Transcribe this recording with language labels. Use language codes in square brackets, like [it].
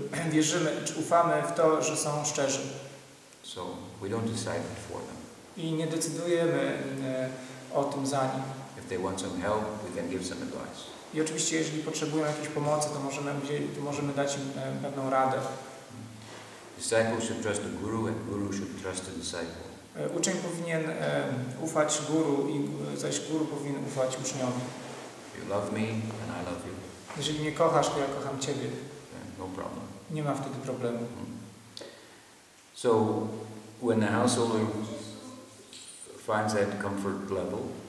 [pl] Wierzymy, czy ufamy w to, że są szczerzy. [en] So we don't decide it for them. [pl] I nie decydujemy o tym za nich. [en] If they want some help, we can give some advice. [pl] I oczywiście, jeżeli potrzebują jakiejś pomocy, to możemy dać im pewną radę. [en] Disciple should trust the guru, and guru should trust the disciple. [pl] Uczeń powinien ufać guru, i zaś guru powinien ufać uczniowi. [en] You love me, and I love you. [pl] Jeżeli mnie kochasz, to ja kocham ciebie. [en] No problem. [pl] Nie ma wtedy problemu. [en] So when the householder finds that comfort level.